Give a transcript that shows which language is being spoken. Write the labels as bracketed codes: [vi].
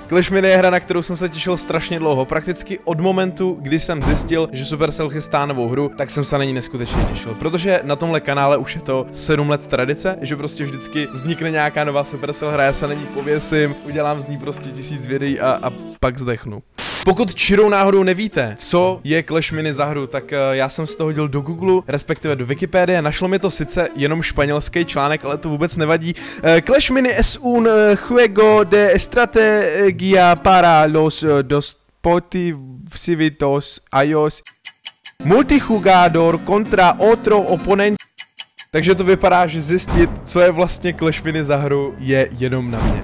[cs] Clash Mini je hra, na kterou jsem se těšil strašně dlouho, prakticky od momentu, kdy jsem zjistil, že Supercell chystá novou hru, tak jsem se na ní neskutečně těšil, protože na tomhle kanále už je to 7 let tradice, že prostě vždycky vznikne nějaká nová Supercell hra, já se na ní pověsím, udělám z ní prostě 1000 videí a pak zdechnu. Pokud čirou náhodou nevíte, co je Clash Mini za hru, tak já jsem si to hodil do Google, respektive do Wikipedie. Našlo mi to sice jenom španělský článek, ale to vůbec nevadí. [es] Clash Mini es un juego de estrategia para los dispositivos iOS. Multijugador contra otro oponente. [cs] Takže to vypadá, že zjistit, co je vlastně Clash Mini za hru, je jenom na mě.